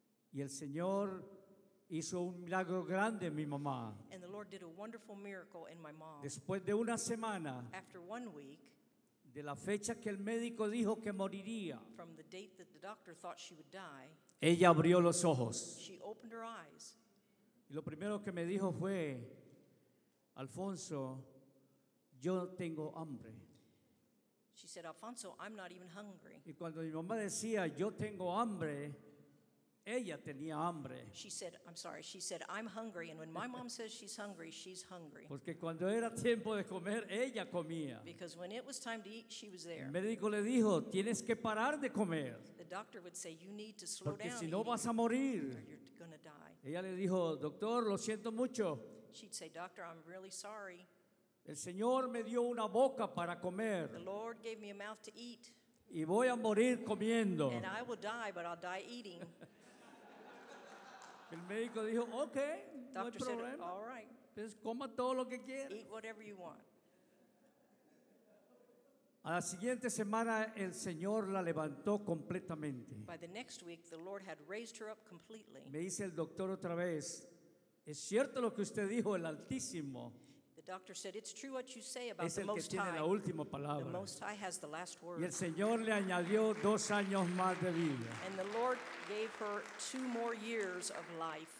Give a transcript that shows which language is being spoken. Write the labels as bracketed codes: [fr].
[es] Y el Señor hizo un milagro grande en mi mamá. [en] And the Lord did a wonderful miracle in my mom. [es] Después de una semana. [en] After 1 week. [es] De la fecha que el médico dijo que moriría. [en] From the date that the doctor thought she would die. [es] Ella abrió los ojos. [en] She opened her eyes. [es] Y lo primero que me dijo fue, Alfonso, yo tengo hambre. [en] She said, Alfonso, I'm not even hungry. [es] Y cuando mi mamá decía, yo tengo hambre, ella tenía hambre. [en] She said, I'm sorry, she said, I'm hungry. And when my mom says she's hungry, she's hungry. [es] Porque cuando era tiempo de comer, ella comía. [en] Because when it was time to eat, she was there. [es] El médico le dijo, tienes que parar de comer. [en] The doctor would say, you need to slow [es] porque [en] down. [es] Porque si no vas a morir. [en] Or you're going to die. [es] Ella le dijo, doctor, lo siento mucho. [en] She'd say, doctor, I'm really sorry. [es] El Señor me dio una boca para comer. [en] The Lord gave me a mouth to eat. [es] Y voy a morir comiendo. [en] And I will die, but I'll die eating. [es] El médico dijo, okay, [en] doctor [es] no hay problema. [en] Said, all right. [es] Pues coma todo lo que quiera. [en] Eat whatever you want. [es] A la siguiente semana, el Señor la levantó completamente. [en] By the next week, the Lord had raised her up completely. [es] Me dice el doctor otra vez, es cierto lo que usted dijo, el Altísimo. [en] The doctor said, it's true what you say about the Most High. [es] Es el que tiene la última palabra. [en] The Most High has the last word. [es] Y el Señor le añadió 2 años más de vida. [en] And the Lord gave her 2 more years of life.